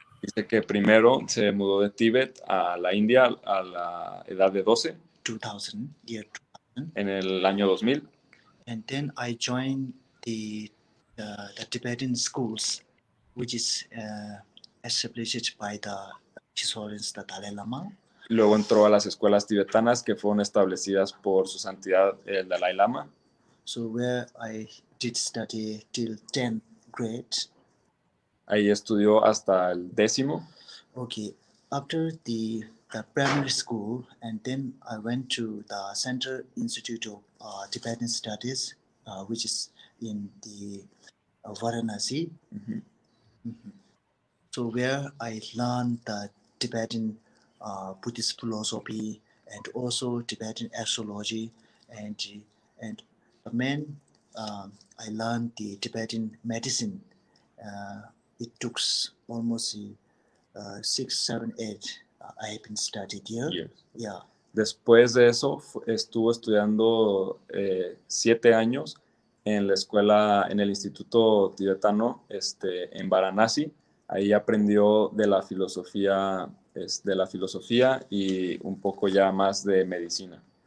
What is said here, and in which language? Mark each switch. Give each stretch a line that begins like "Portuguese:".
Spanish: Dice que primero se mudó de Tíbet a la India a la edad de 12.
English: 2000, year 2000.
Spanish: En el año 2000.
English: And then I joined the Tibetan schools, which is established by the Chisholins, the Dalai Lama.
Spanish: Luego entró a las escuelas tibetanas que fueron establecidas por su santidad el Dalai Lama.
English: So where I did study till 10th grade.
Spanish: Ahí estudió hasta el décimo.
English: Okay, after the primary school, and then I went to the Central Institute of Tibetan Studies, which is in the Varanasi. So where I learned the Tibetan Buddhist philosophy and also Tibetan astrology, and the main I learned the Tibetan medicine. It took almost 6, 7, 8 I have been studied here. Yes. Yeah.
Spanish: Después de eso estuvo estudiando 7 años en la escuela, en el instituto tibetano, en Varanasi. Ahí aprendió de la filosofía, y un poco ya más de medicina.